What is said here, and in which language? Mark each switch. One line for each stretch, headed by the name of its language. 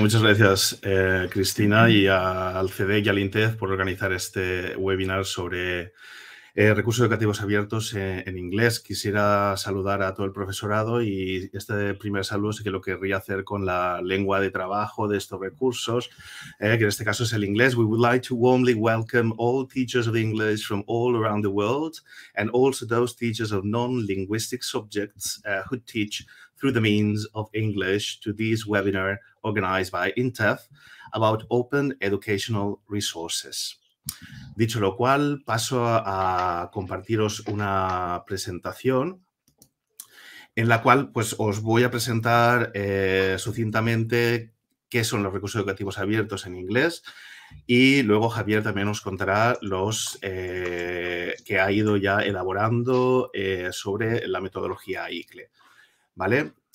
Spanish: muchas gracias, Cristina, y al CDE y al INTEF por organizar este webinar sobre recursos educativos abiertos en inglés. Quisiera saludar a todo el profesorado y este primer saludo sí que lo querría hacer con la lengua de trabajo de estos recursos, que en este caso es el inglés.
English: We would like to warmly welcome all teachers of English from all around the world and also those teachers of non-linguistic subjects who teach through the means of English to this webinar organized by INTEF about open educational resources.
Spanish: Dicho lo cual, paso a compartiros una presentación en la cual pues, os voy a presentar sucintamente qué son los recursos educativos abiertos en inglés y luego Javier también os contará los que ha ido ya elaborando sobre la metodología ICLE. ¿Vale?